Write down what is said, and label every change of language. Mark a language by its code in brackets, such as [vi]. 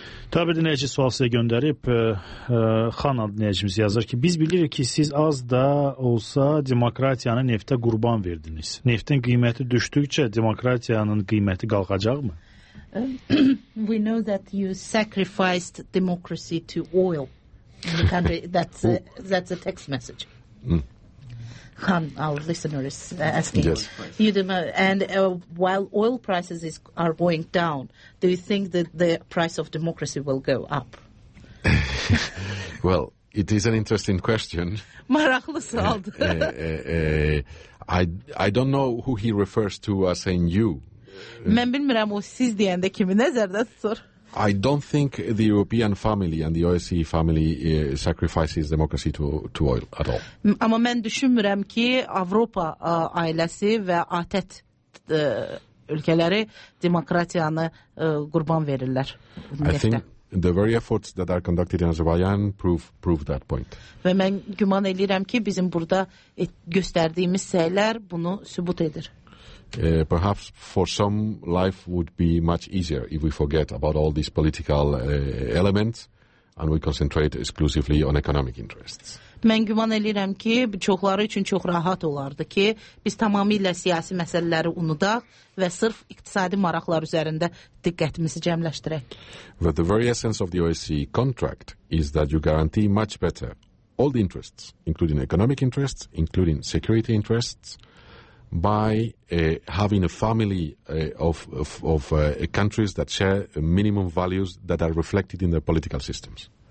[az] Tabi dinleyici sual size gönderip Xan adlı dinleyicimiz yazar ki biz bilirik ki siz az da olsa demokratiyanı neftə qurban verdiniz. Neftin qiyməti düşdükcə demokratiyanın qiyməti qalxacaq mı? [en] We know that you sacrificed democracy to oil in the country. That's a text message. Khan, our listener is asking. Yes. You know, and while oil prices are going down, do you think that the price of democracy will go up? Well, it is an interesting question. [az] Maraqlı sualdır. [en] I don't know who he refers to as saying you. [az] Mən bilmirəm o siz deyəndə kimi nəzərdə tutur. [en] I don't think the European family and the OSCE family sacrifices democracy to oil at all. [az] Amma mən düşünmürəm ki Avropa ailəsi və ATƏT ölkələri demokratiyanı qurban verirlər. [en] I think the very efforts that are conducted in Azerbaijan prove that point. [az] Və mən güman edirəm ki bizim burada göstərdiyimiz səylər bunu sübut edir. [en] Perhaps for some life would be much easier if we forget about all these political elements and we concentrate exclusively on economic interests. [az] Mən güman edirəm ki, çoxları üçün çox rahat olardı ki, biz tamamilə siyasi məsələləri unudaq və sırf iqtisadi maraqlar üzərində diqqətimizi cəmləşdirək. [en] But the very essence of the OSCE contract is that you guarantee much better all the interests, including economic interests, including security interests, by having a family of countries that share minimum values that are reflected in their political systems.